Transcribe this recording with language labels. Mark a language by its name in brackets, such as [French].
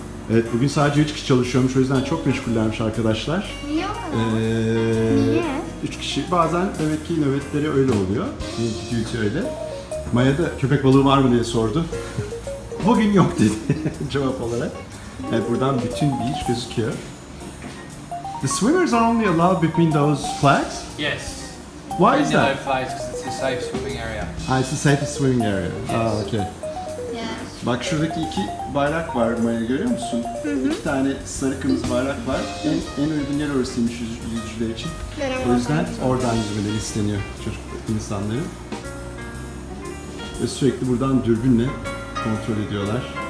[Turkish] Evet, bugün sadece 3 kişi çalışıyormuş, o yüzden çok meşgullermiş arkadaşlar. Niye? 3 kişi. Bazen demek ki nöbetleri öyle oluyor. Bir duty öyle. Maya da köpek balığı var mı diye sordu. Bugün yok dedi cevap olarak. Evet, buradan bütün beach gözüküyor. [English] The swimmers are only allowed between those flags? Yes. Why is that? No flags because it's a safe swimming area. Ah, it's the safest swimming area. Yes. Ah, okay. [Turkish] Bak şuradaki iki bayrak var Maya, görüyor musun? Hı hı. İki tane sarı kırmızı bayrak var. En uygun yer orasıymış yüzücüler için. Merhaba. O yüzden oradan yüzmeleri isteniyor insanların. Ve sürekli buradan dürbünle kontrol ediyorlar.